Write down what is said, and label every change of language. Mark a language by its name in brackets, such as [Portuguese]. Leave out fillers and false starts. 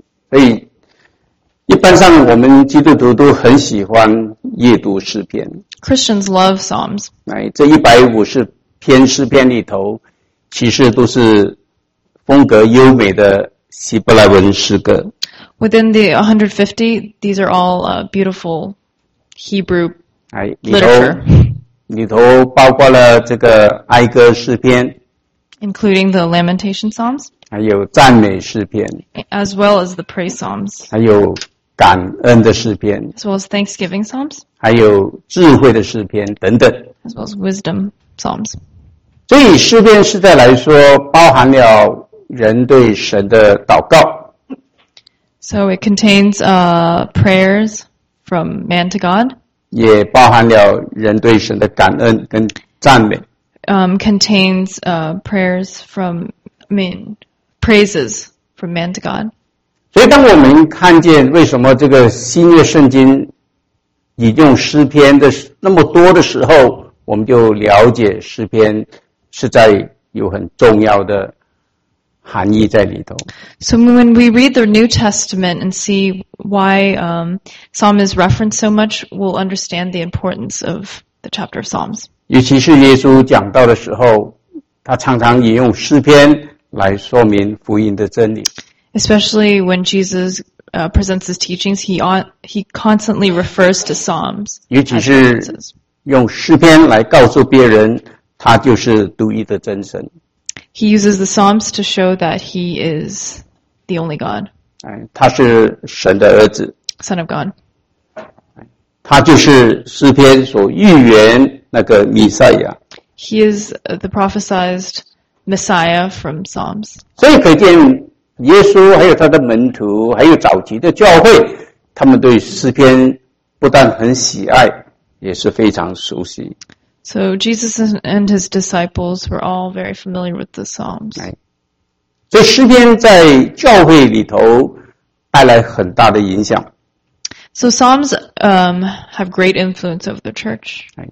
[Chinese] 所以一般上我们基督徒都很喜欢阅读诗篇。 [English] Christians love Psalms. [Chinese] 这150篇诗篇里头其实都是风格优美的希伯来文诗歌。 [English] Within the 150, these are all beautiful Hebrew literature. [Chinese] 里头包括了这个哀歌诗篇。 [English] Including the Lamentation Psalms. [Chinese] 还有赞美诗篇。 [English] As well as the Praise Psalms. [Chinese] 还有感恩的诗篇。 [English] As well as Thanksgiving Psalms. [Chinese] 还有智慧的诗篇等等。 [English] As well as Wisdom Psalms. [Chinese] 所以诗篇是在来说包含了人对神的祷告。 [English] So it contains prayers from man to God. [Chinese] 也包含了人对神的感恩跟赞美。 [English] Contains prayers from man, praises from man to God. [Chinese] 所以当我们看见为什么这个新约圣经引用诗篇的那么多的时候，我们就了解诗篇是在有很重要的含义在里头。 [English] So when we read the New Testament and see why Psalm is referenced so much, we'll understand the importance of the chapter of Psalms. [Chinese] 尤其是耶稣讲道的时候，他常常引用诗篇来说明福音的真理。 [English] Especially when Jesus presents his teachings, he constantly refers to Psalms. [Chinese] 尤其是用诗篇来告诉别人他就是独一的真神。 [English] He uses the Psalms to show that he is the only God. [Chinese] 他是神的儿子。 [English] Son of God. [Chinese] 他就是诗篇所预言那个弥赛亚。 [English] He is the prophesized Messiah from Psalms. [Chinese] 所以可见耶稣还有他的门徒还有早期的教会，他们对诗篇不但很喜爱，也是非常熟悉。 [English] So Jesus and his disciples were all very familiar with the Psalms. [Chinese] 所以诗篇在教会里头带来很大的影响。 [English] So Psalms have great influence over the church.